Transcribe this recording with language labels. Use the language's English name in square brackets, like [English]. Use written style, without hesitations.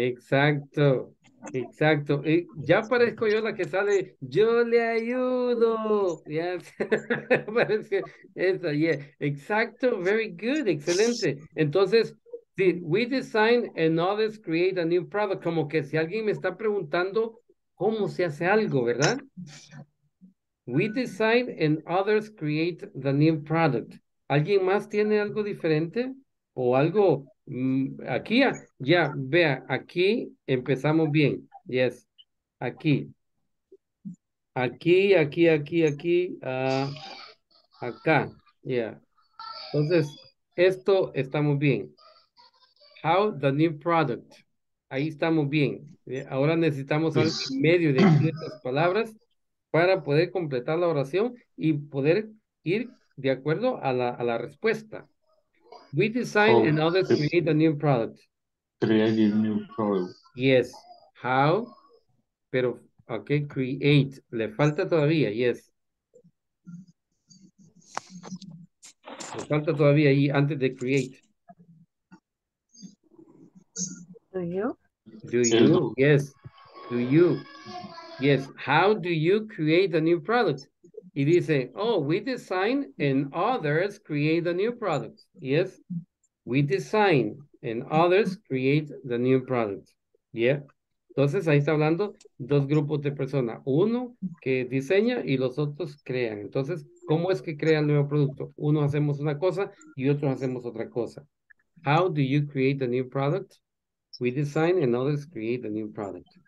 [Spanish] Exacto. Y ya parezco yo la que sale, yo le ayudo. [English] Yes. [Spanish] Parece esa, yeah. Exacto, [English] very good, [Spanish] excelente. [English] Entonces, we design and others create a new product. [Spanish] Como que si alguien me está preguntando cómo se hace algo, ¿verdad? [English] We design and others create the new product. [Spanish] ¿Alguien más tiene algo diferente? ¿O algo aquí? Ya, vea, aquí empezamos bien. Yes, aquí. Aquí. Acá, yeah. Entonces, esto estamos bien. [English] How the new product. [Spanish] Ahí estamos bien. Ahora necesitamos el medio de estas palabras para poder completar la oración y poder ir de acuerdo a la respuesta. [English] We design and others create a new product. Create a new product. Yes. How? Pero, ok, create. [Spanish] Le falta todavía, yes. Le falta todavía ahí antes de create. [English] Do you? Do you? Yes. Do you? Yes. How do you create a new product? [Spanish] Y dice, [English] oh, we design and others create a new product. Yes. We design and others create the new product. Yeah. [Spanish] Entonces, ahí está hablando dos grupos de personas. Uno que diseña y los otros crean. Entonces, ¿cómo es que crean nuevo producto? Uno hacemos una cosa y otros hacemos otra cosa. [English] How do you create a new product? We design and others create a new product.